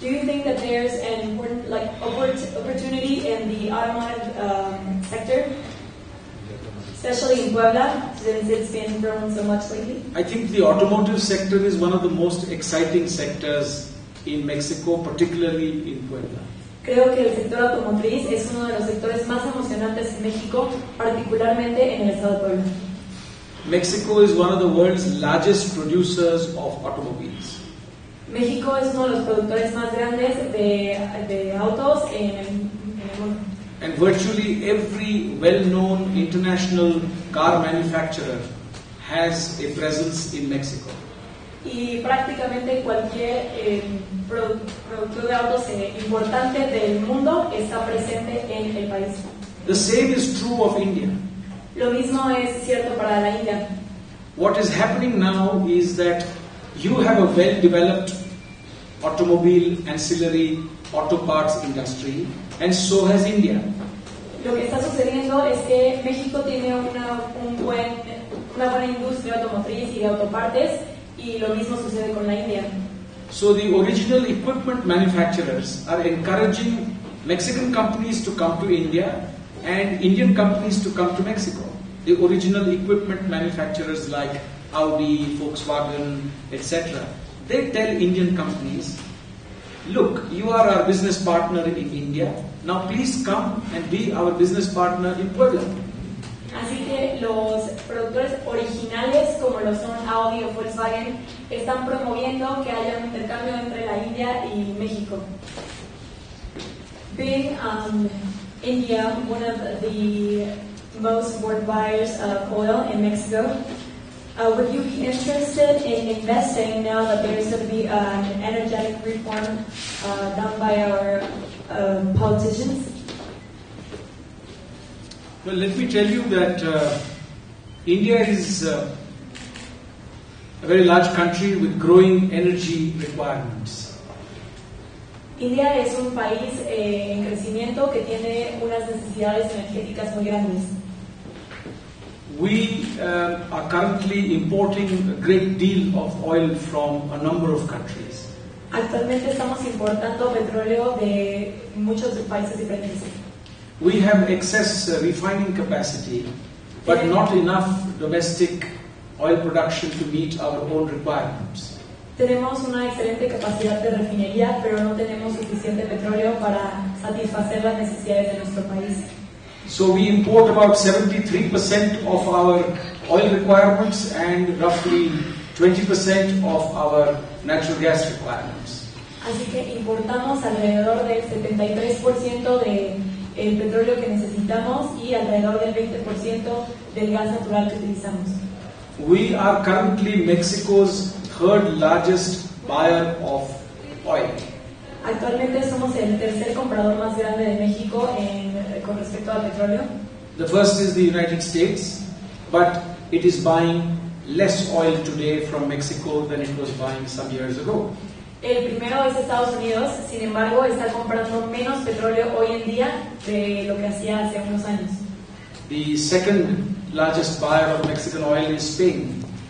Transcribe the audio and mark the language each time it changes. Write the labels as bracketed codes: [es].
[en] Do you think that there's an important like opportunity in the automotive sector? Especially in Puebla, since it's been growing so much lately? I think the automotive sector is one of the most exciting sectors in Mexico, particularly in Puebla. [es] Creo que el sector automotriz es uno de los sectores más emocionantes en México, particularmente en el estado de Puebla. [en] Mexico is one of the world's largest producers of automobiles. [es] México es uno de los productores más grandes de autos en el mundo. [en] And virtually every well-known international car manufacturer has a presence in Mexico. [es] Y prácticamente cualquier productor de autos importante del mundo está presente en el país. [en] The same is true of India. [es] Lo mismo es cierto para la India. [en] What is happening now is that you have a well-developed automobile ancillary auto parts industry, and so has India. [es] Lo que está sucediendo es que México tiene una buena industria automotriz y de autopartes, y lo mismo sucede con la India. [en] So the original equipment manufacturers are encouraging Mexican companies to come to India and Indian companies to come to Mexico. The original equipment manufacturers like Audi, Volkswagen, etc. They tell Indian companies, look, you are our business partner in India. Now please come and be our business partner in Puebla. [es] Así que los productores originales, como lo son Audi o Volkswagen, están promoviendo que haya un intercambio entre la India y México. [en] Being India, one of the most important buyers of oil in Mexico, would you be interested in investing now that there is going to be an energetic reform done by our politicians? Well, let me tell you that India is a very large country with growing energy requirements. [es] India es un país en crecimiento que tiene unas necesidades energéticas muy grandes. [en] We are currently importing a great deal of oil from a number of countries. [es] Actualmente estamos importando petróleo de muchos países diferentes. [en] We have excess refining capacity, but not enough domestic oil production to meet our own requirements. [es] Tenemos una excelente capacidad de refinería, pero no tenemos suficiente petróleo para satisfacer las necesidades de nuestro país. [en] So we import about 73% of our oil requirements and roughly 20% of our natural gas requirements. [es] Así que importamos alrededor del 73% del petróleo que necesitamos y alrededor del 20% del gas natural que utilizamos. [en] We are currently Mexico's third largest buyer of oil. [es] Actualmente somos el tercer comprador más grande de México con respecto al petróleo. [en] The first is the United States, but it is buying less oil today from Mexico than it was buying some years ago. [es] El primero es Estados Unidos, sin embargo, está comprando menos petróleo hoy en día de lo que hacía hace unos años. [en] The second largest buyer of Mexican oil is Spain.